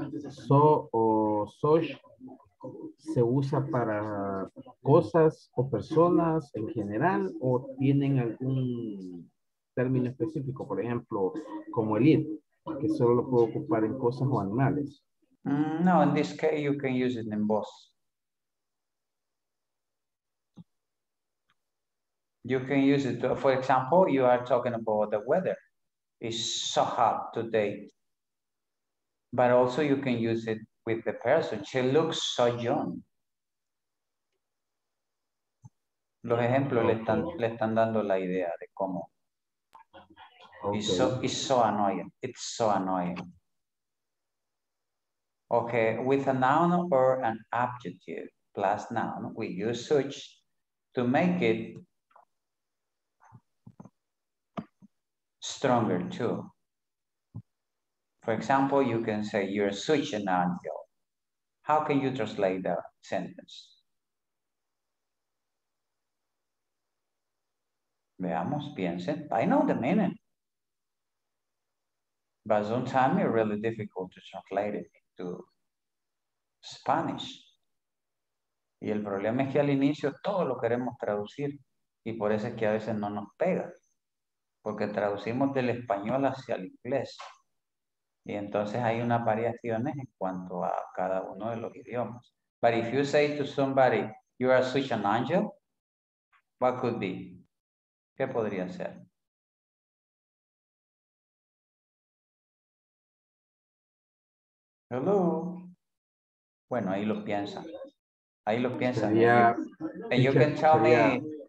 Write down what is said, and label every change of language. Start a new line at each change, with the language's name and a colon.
Spanish: So o such se usa para cosas o personas en general o tienen algún término específico, por ejemplo, como el it, que solo lo puedo ocupar en cosas o animales.
English: No, in this case you can use it in both. You can use it, for example, you are talking about the weather. It's so hot today. But also you can use it with the person. She looks so young.
Spanish: Los ejemplos le están dando la idea de cómo.
English: Okay. It's so annoying. It's so annoying. Okay, with a noun or an adjective plus noun, we use such to make it stronger too. For example, you can say you're such an angel. How can you translate the sentence?
Spanish: Veamos, piensen.
English: I know the meaning. But sometimes it's really difficult to translate it into Spanish.
Spanish: Y el problema es que al inicio todo lo queremos traducir y por eso es que a veces no nos pega. Porque traducimos del español hacia el inglés. Y entonces hay unas variaciones en cuanto a cada uno de los idiomas.
English: But if you say to somebody, you are such an angel, what could be?
Spanish: ¿Qué podría ser?
English: Hello.
Spanish: Bueno, ahí lo piensa. Ahí lo piensa.
English: Yeah. And you can tell me.